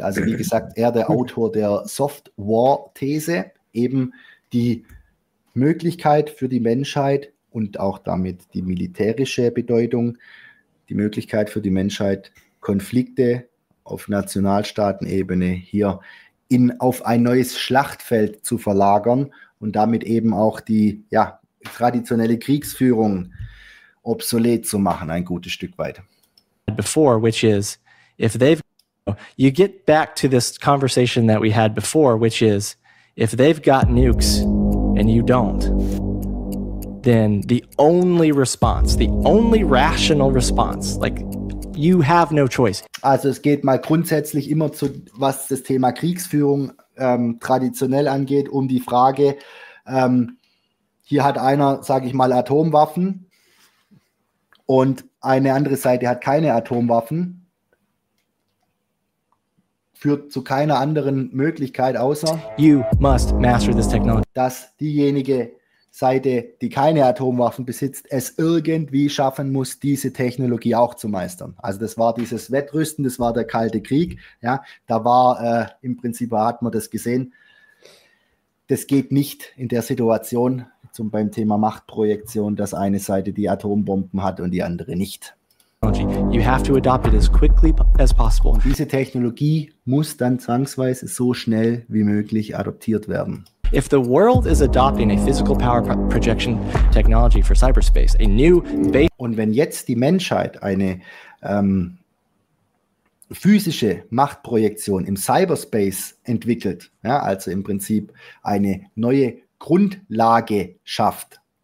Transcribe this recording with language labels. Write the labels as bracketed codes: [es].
[de] Also wie gesagt, er der Autor der Soft-War-These, eben die Möglichkeit für die Menschheit und auch damit die militärische Bedeutung, die Möglichkeit für die Menschheit, Konflikte auf Nationalstaatenebene hier auf ein neues Schlachtfeld zu verlagern und damit eben auch die traditionelle Kriegsführung obsolet zu machen, ein gutes Stück weit. [en] Before, which is, if they've, you get back to this conversation that we had before, which is, if they've got nukes and you don't, then the only rational response, like, you have no choice. [de] Also es geht mal grundsätzlich immer zu, was das Thema Kriegsführung traditionell angeht, um die Frage, hier hat einer, sage ich mal, Atomwaffen, und eine andere Seite hat keine Atomwaffen, führt zu keiner anderen Möglichkeit außer, [en] you must master this technology, [de] dass diejenige Seite, die keine Atomwaffen besitzt, es irgendwie schaffen muss, diese Technologie auch zu meistern. Also das war dieses Wettrüsten, das war der Kalte Krieg. Ja, da war im Prinzip hat man das gesehen. Das geht nicht in der Situation. Zum beim Thema Machtprojektion, dass eine Seite die Atombomben hat und die andere nicht. [en] You have to adopt it as quickly as possible. [de] Und diese Technologie muss dann zwangsweise so schnell wie möglich adoptiert werden. [en] If the world is adopting a physical power projection technology for cyberspace, a new base. [de] Und wenn jetzt die Menschheit eine physische Machtprojektion im Cyberspace entwickelt, also im Prinzip eine neue Grundlage schafft,